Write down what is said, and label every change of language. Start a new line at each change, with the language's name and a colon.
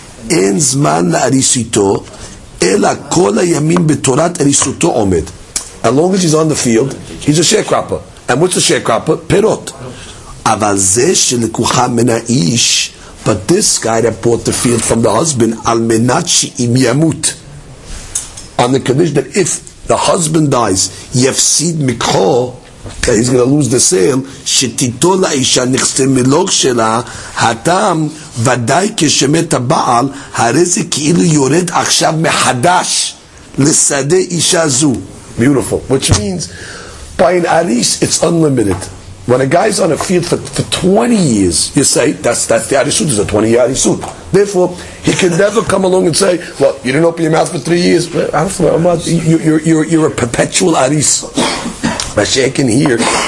Hebrew: אין זמן לאריסיתו, אלא כל הימים בתורת אריסותו עומד.
English: As long as he's on the field, he's a sharecropper. And what's a sharecropper?
Hebrew: Perot. אבל זה שלקוחה מן האיש,
English: but this guy that bought the field from the husband,
Hebrew: על מנת שאם ימות,
English: on the condition that if the husband dies,
Hebrew: יפסיד מקחו,
English: that he's going to lose the sale,
Hebrew: שתיתו לאישה נכסה מלוג שלה, הטעם ודאי כשמת הבעל, הרי זה כאילו יורד עכשיו מחדש לשדה אישה זו.
English: Beautiful. Which means, by an aris, it's unlimited. When a guy's on a field for 20 years, you say, that's the arisut, it's a 20-year arisut. Therefore, he can never come along and say, well, you didn't open your mouth for 3 years. You're a perpetual aris. Mashiach in here.